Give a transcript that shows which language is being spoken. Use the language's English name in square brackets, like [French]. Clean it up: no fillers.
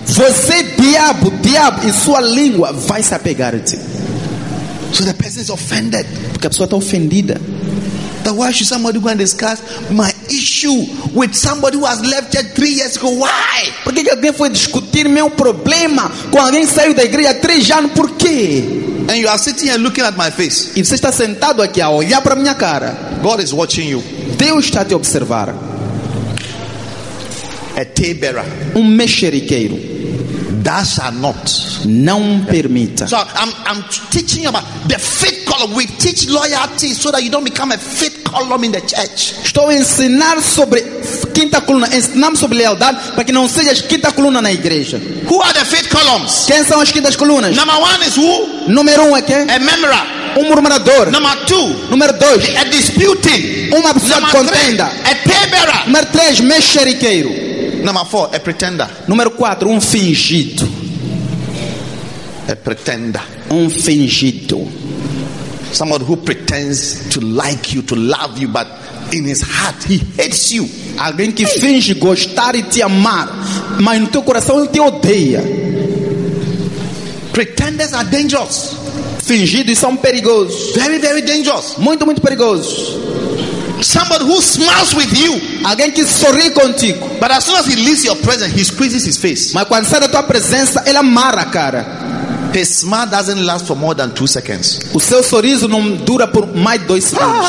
[Portuguese] Você, diabo, e sua língua vai se apegar a ti. [English] So the person is offended. [Portuguese] Porque a pessoa está ofendida. [English] That why should somebody go and discuss my issue with somebody who has left church 3 years ago? Why? [Portuguese] Por que alguém foi discutir meu problema com alguém que saiu da igreja há 3 anos? Por quê? [English] And you are sitting here looking at my face. [Portuguese] E você está sentado aqui a olhar para minha cara. [English] God is watching you. [Portuguese] Deus está te observar. [English] A tale bearer. [Portuguese] Mexeriqueiro. [English] That shall not. [Portuguese] Não permita. [English] So I'm teaching you about the faith column. We teach loyalty so that you don't become a faith column in the church. [Portuguese] Estou ensinar sobre quinta coluna. Ensinamos sobre lealdade para que não seja quinta coluna na igreja. [English] Who are the faith columns? [Portuguese] Quem são as quintas colunas? [English] Number one is who? [Portuguese] Número um é quem? [English] A murmurer. [Portuguese] Murmurador. [English] Number two. [Portuguese] Número dois. [English] A disputing. [Portuguese] Pessoa de contenda. [English] Three, a tay-bearer. [Portuguese] Número três, mexeriqueiro. [English] Number four, a pretender. [Portuguese] Número 4, fingido. [English] A pretender. [Portuguese] Fingido. [English] Someone who pretends to like you, to love you, but in his heart he hates you. [Portuguese] Alguém que finge gostar e te amar, mas no teu coração ele te odeia. [English] Pretenders are dangerous. [Portuguese] Fingidos são perigosos. [English] Very, very dangerous. [Portuguese] Muito, muito perigosos. [English] Somebody who smiles with you, [Portuguese] alguém que sorri contigo, [English] but as soon as he leaves your presence, he squeezes his face. [Portuguese] Mas quando sai da tua presença, ele amarra a cara. [English] The smile doesn't last for more than 2 seconds. [Portuguese] O seu sorriso não dura por mais 2 segundos.